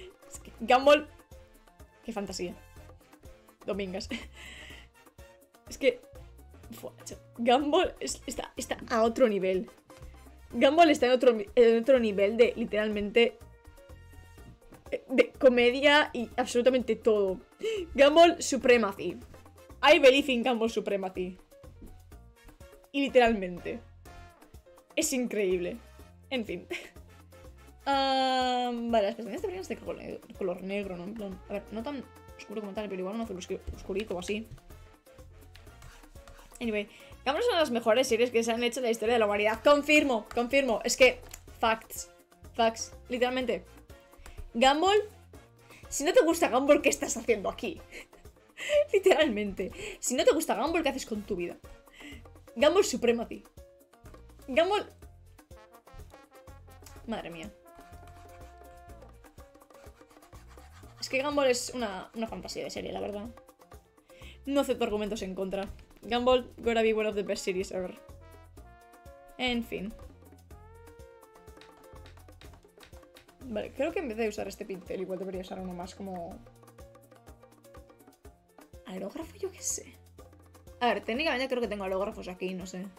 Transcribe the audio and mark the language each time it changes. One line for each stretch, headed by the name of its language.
Spanish: Es que Gumball, qué fantasía. Domingas. Es que... Gumball está a otro nivel. Gumball está en otro nivel de literalmente... De comedia y absolutamente todo. Gumball Supremacy.
English: I believe in Gumball Supremacy.
Spanish: Y literalmente. Es increíble. En fin. Vale, las pestañas deberían ser de color negro, ¿no? En plan, a ver, no tan... oscuro como tal, pero igual no hace oscurito o así. Anyway, Gumball es una de las mejores series que se han hecho en la historia de la humanidad. Confirmo, confirmo. Es que, facts. Literalmente. Gumball, si no te gusta Gumball, ¿qué estás haciendo aquí? Literalmente. Si no te gusta Gumball, ¿qué haces con tu vida? Gumball Supremacy. Gumball. Madre mía. Es que Gumball es una fantasía de serie, la verdad. No acepto argumentos en contra.
English: Gumball, gonna be one of the best series ever.
Spanish: En fin. Vale, creo que en vez de usar este pincel, igual debería usar uno más como... ¿Aerógrafo? Yo qué sé. A ver, técnicamente creo que tengo aerógrafos aquí, no sé.